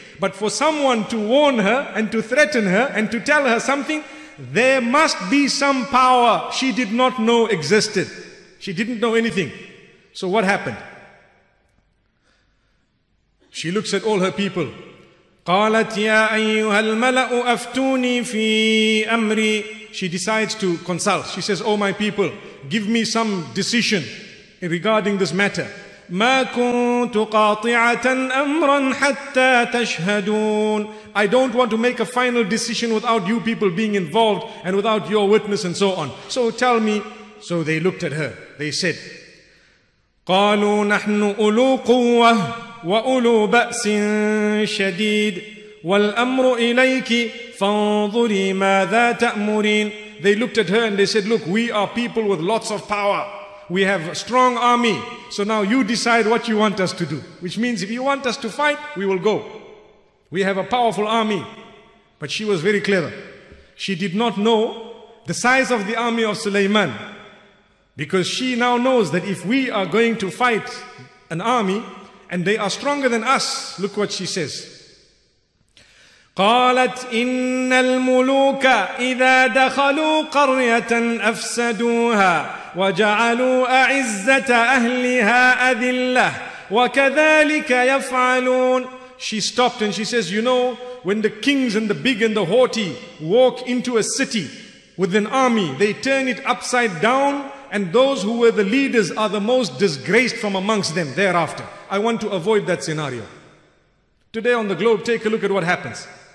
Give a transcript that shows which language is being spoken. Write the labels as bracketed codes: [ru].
[en] But for someone to warn her and to threaten her and to tell her something, there must be some power she did not know existed. She didn't know anything. So what happened? She looks at all her people. [ar] قالت يا أيها الملأ أفتوني في أمري. [en] She decides to consult. She says, oh my people, give me some decision regarding this matter. [ar] مَا كُنْتُ قَاطِعَةً أَمْرًا حَتَّى تَشْهَدُونَ [en] I don't want to make a final decision without you people being involved and without your witness and so on. So tell me. So they looked at her. They said, [ar] قَالُوا نَحْنُ أُولُو قُوَّةٍ وَأُولُو بَأْسٍ شَدِيدٍ وَالْأَمْرُ إِلَيْكِ فَانْظُرِي مَاذَا تَأْمُرِينَ [en] They looked at her and they said, look, we are people with lots of power. We have a strong army. So now you decide what you want us to do. Which means if you want us to fight, we will go. We have a powerful army. But she was very clever. She did not know the size of the army of Suleiman. Because she now knows that if we are going to fight an army and they are stronger than us, look what she says. [ar] قالت إن الملوك إذا دخلوا قرية أفسدوها وجعلوا أعزة أهلها أذلة وكذلك يفعلون [en] She stopped and she says, you know, when the kings and the big and the haughty walk into a city with an army, they turn it upside down and those who were the leaders are the most disgraced from amongst them thereafter. I want to avoid that scenario. Today on the globe, take a look at what happens.